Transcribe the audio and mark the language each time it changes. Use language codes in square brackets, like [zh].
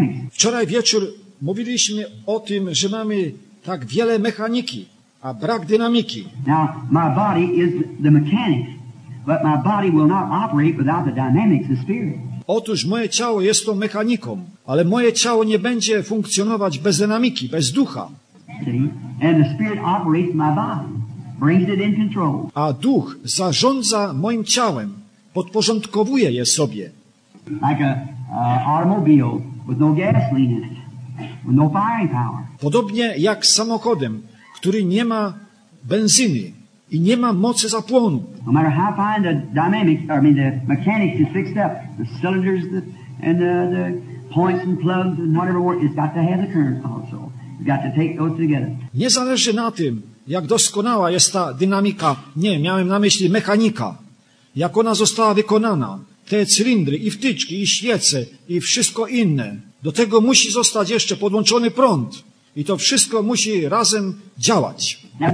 [pl] Wczoraj wieczór mówiliśmy o tym, że mamy tak wiele mechaniki, a brak dynamiki. [en] Now, my body is the mechanic, but my body will not operate without the dynamics of spirit. [pl] Otóż moje ciało jest tą mechaniką, ale moje ciało nie będzie funkcjonować bez dynamiki, bez ducha. [en] See? And the spirit operates my body, brings it in control. [pl] A duch zarządza moim ciałem, podporządkowuje je sobie. [en] Like an automobile. With no gasoline in it, with no firing power. [pl] Podobnie jak samochodem, który nie ma benzyny i nie ma mocy zapłonu. [en] No matter how fine the dynamics, or I mean the mechanics is fixed up, the cylinders and the points and plugs and whatever work, it's got to have the current also. It's got to take those together. [pl] Nie zależy na tym, jak doskonała jest ta dynamika. Nie, miałem na myśli mechanika. Jak ona została wykonana. Te cylindry i wtyczki i świece i wszystko inne. Do tego musi zostać jeszcze podłączony prąd. I to wszystko musi razem działać.